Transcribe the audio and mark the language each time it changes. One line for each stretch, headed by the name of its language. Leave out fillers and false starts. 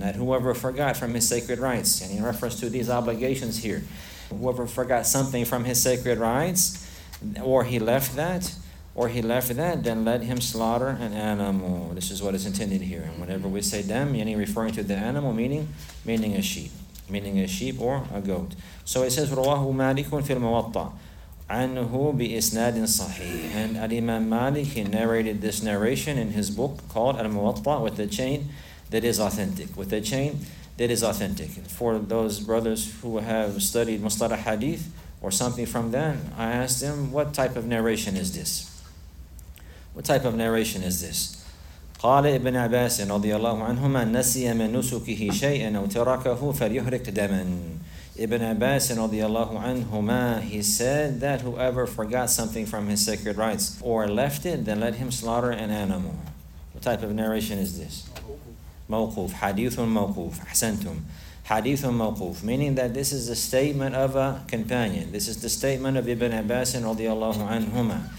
English: That whoever forgot from his sacred rights, and in reference to these obligations here, whoever forgot something from his sacred rights, or he left that, then let him slaughter an animal. This is what is intended here. And whenever we say dam, meaning referring to the animal, meaning a sheep. Meaning a sheep or a goat.
Arabic: So it says, رواه مالك في الموطأ عنه بإسناد صحيح.
English: And Al-Imam Malik, he narrated this narration in his book called Al-Muwatta, with a chain that is authentic. With a chain that is authentic. For those brothers who have studied Mustalah Hadith or something from that, I asked them, what type of narration is this? What type of narration is this?
Arabic: قال ابن عباس رضي الله عنهما نسي من نسكه شيئا أو تركه فليهرق دما.
English: Ibn Abbas رضي الله عنهما, he said that whoever forgot something from his sacred rights or left it, then let him slaughter an animal. What type of narration is this?
Arabic: موقوف. حديث موقوف. أحسنتم. حديث موقوف.
English: Meaning that this is the statement of a companion. This is the statement of Ibn Abbas رضي الله عنهما.